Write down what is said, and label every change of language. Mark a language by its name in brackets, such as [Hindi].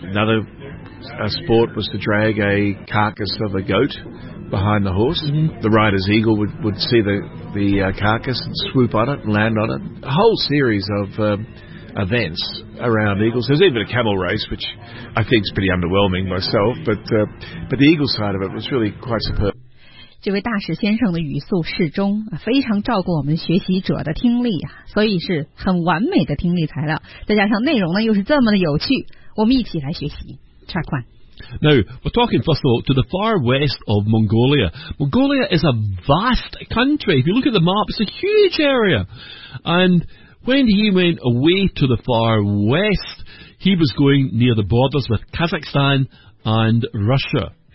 [English] Another sport was to drag a carcass of a goat behind the horse. Mm-hmm. The rider's eagle would see the carcass and swoop on it and land on it. A whole series of events around eagles. There's even a camel race, which I think is pretty underwhelming myself, but the eagle side of it was really quite superb. [Chinese] 这位大使先生的语速适中，非常照顾我们学习者的听力，所以是很完美的听力材料，再加上内容呢又是这么的有趣，我们一起来学习 Track 1。 [English] Now, we're talking, first of all, to the far west of Mongolia. Mongolia is a vast country. If you look at the map, it's a huge area. And when he went away to the far west, he was going near the borders with Kazakhstan and Russia.